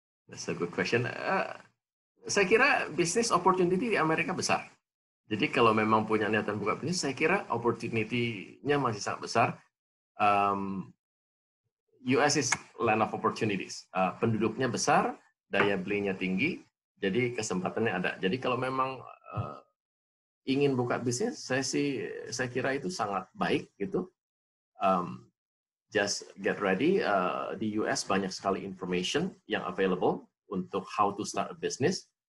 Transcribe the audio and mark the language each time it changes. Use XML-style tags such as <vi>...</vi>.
<en>That's a good question.</en> <id>Saya kira business opportunity di Amerika besar. Jadi kalau memang punya niatan buka bisnis, saya kira opportunity-nya masih sangat besar.</id> <en>US is land of opportunities.</en> <id>Penduduknya besar, daya belinya tinggi. Jadi kesempatannya ada. Jadi kalau memang ingin buka bisnis, saya kira itu sangat baik gitu.</id> <en>Just get ready.</en> <id>Di US banyak sekali</id> <en>information yang available untuk how to start a business.</en>